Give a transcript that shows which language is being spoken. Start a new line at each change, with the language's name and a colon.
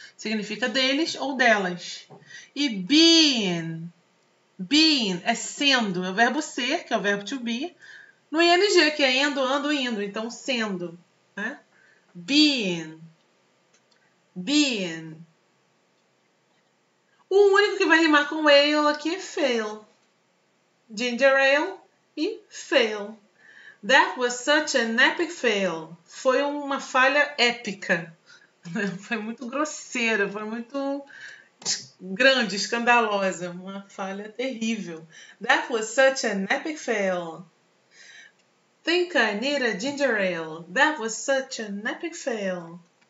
Portuguese: Significa deles ou delas. E being. Being é sendo. É o verbo ser, que é o verbo to be. No ING, que é ando, indo. Então, sendo, né? Being. Being. O único que vai rimar com ale aqui é fail. Ginger ale e fail.
English: That was such an epic fail.
Portuguese: Foi uma falha épica. Foi muito grosseira, foi muito grande, escandalosa. Uma falha terrível.
English: That was such an epic fail. Think I need a ginger ale. That was such an epic fail.